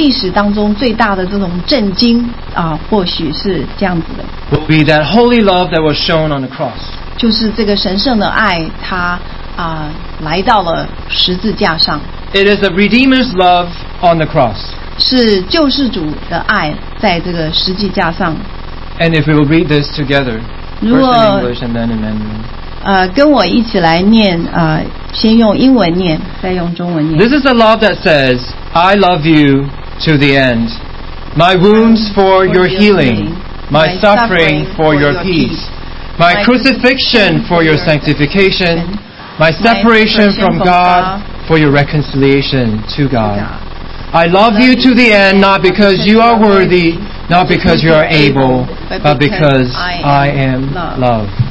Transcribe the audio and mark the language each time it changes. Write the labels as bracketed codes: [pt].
[zh] 但是这个回荡在我们人类历史当中最大的这种震惊 或许是这样子的 [en] will be that holy love that was shown on the cross [zh] 就是这个神圣的爱 它, 来到了十字架上 [en] It is a Redeemer's love on the cross [zh] 是救世主的爱在这个十字架上 [en] And if we will read this together [zh] 如果, [en] first in English and then in Mandarin [zh] 跟我一起来念 先用英文念,再用中文念 [en] This is the love that says I love you to the end My wounds for your healing My suffering for your peace My crucifixion for your sanctification My separation from God For your reconciliation to God I love you to the end Not because you are worthy Not because you are able But because I am love